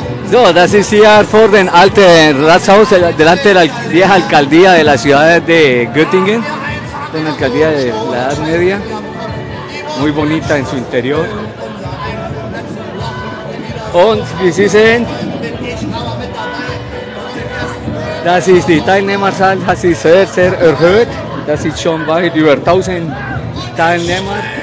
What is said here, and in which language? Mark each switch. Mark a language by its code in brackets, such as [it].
[de] So, das ist hier vor dem alten Rathaus, [es] delante der vieja Alcaldía de la Ciudad de Göttingen. En la alcaldía de la Edad Media, muy bonita en su interior. [de] Und wie Sie sehen, das ist die Teilnehmerzahl, das ist sehr, sehr erhöht. Das ist schon weit über 1000 Teilnehmer.